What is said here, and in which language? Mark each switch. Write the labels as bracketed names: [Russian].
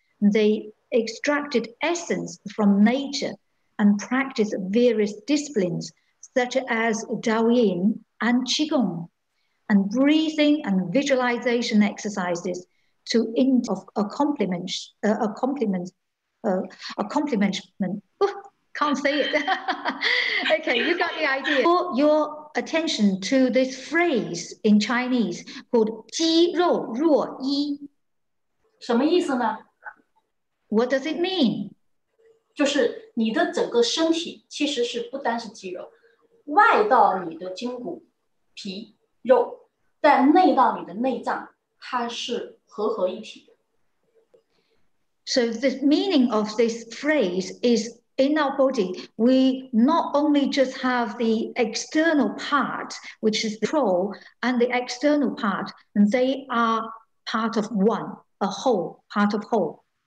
[English] They extracted essence from nature and practiced various disciplines such as Daoyin and Qigong and breathing and visualization exercises to accomplishment. A complimentment. Oh, can't say it. Okay, you got the idea. For your attention to this phrase in Chinese called 肌肉若一. [Chinese] 什么意思呢? [English] What does it mean? [Chinese] 就是你的整个身体其实是不单是肌肉, 外到你的筋骨皮肉, 但内到你的内脏, 它是合一体。 [English] So the meaning of this phrase is in our body, we not only just have the external part, which is the pro, and the external part, and they are part of one, a whole, part of whole.